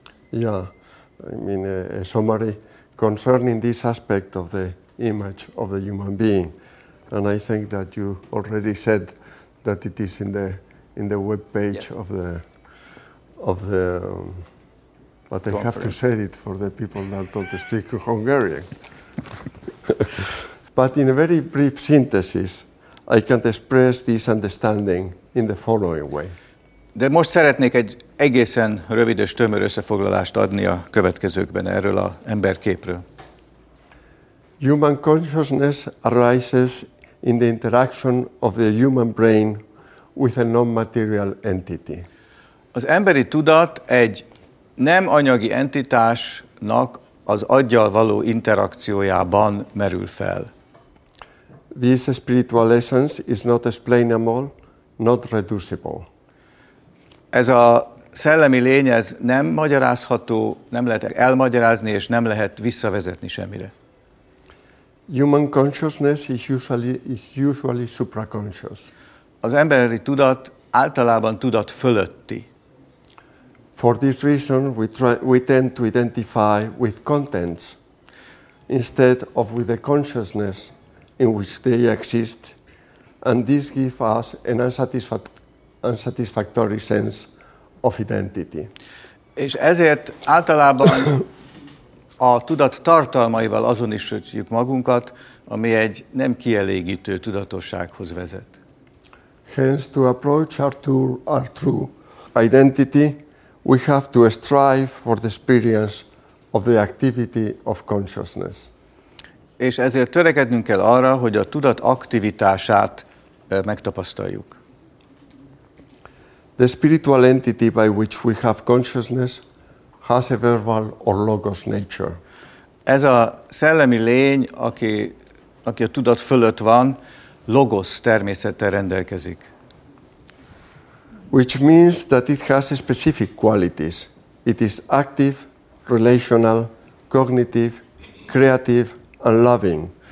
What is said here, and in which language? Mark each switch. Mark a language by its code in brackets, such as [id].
[en] Yeah, I mean a summary concerning this aspect of the image of the human being, and I think that you already said that it is in the web page. Yes. of the But I have to say it for the people that don't speak Hungarian. But in a very brief synthesis, I can express this understanding in the following way. [hu] De most szeretnék egy egészen rövid és tömör összefoglalást adni a következőkben erről a emberképről. [en] Human consciousness arises in the interaction of the human brain with a non-material entity. [hu] Az emberi tudat egy nem anyagi entitásnak az aggyal való interakciójában merül fel. [en] This spiritual essence is not explainable, not reducible. [hu] Ez a szellemi lény, ez nem magyarázható, nem lehet elmagyarázni, és nem lehet visszavezetni semmire. [en] Human consciousness is usually supraconscious. [hu] Az emberi tudat általában tudat fölötti. [en] For this reason, we tend to identify with contents instead of with the consciousness in which they exist, and this gives us an unsatisfactory sense of identity. [hu] És ezért általában a tudat tartalmaival azonosítjuk magunkat, ami egy nem kielégítő tudatossághoz vezet. [en] Hence, to approach our true identity, we have to strive for the experience of the activity of consciousness. [hu] És ezért törekednünk kell arra, hogy a tudat aktivitását megtapasztaljuk. [en] The spiritual entity by which we have consciousness has a verbal or logos nature. [hu] Ez a szellemi lény, aki a tudat fölött van, logos természettel rendelkezik. [en] Which means that it has specific qualities. It is active, relational, cognitive, creative, and loving,